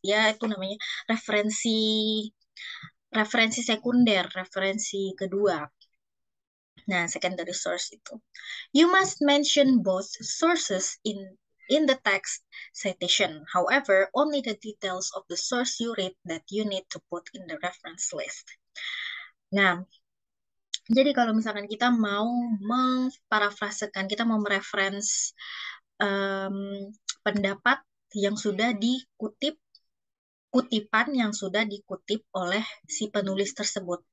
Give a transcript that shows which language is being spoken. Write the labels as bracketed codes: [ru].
[id] Ya, itu namanya referensi sekunder, referensi kedua. Nah, secondary source itu. [en] You must mention both sources in the text citation. However, only the details of the source you read that you need to put in the reference list. [id] Nah, jadi kalau misalkan kita mau memparafrasekan, kita mau mereference pendapat yang sudah dikutip, kutipan yang sudah dikutip oleh si penulis tersebut.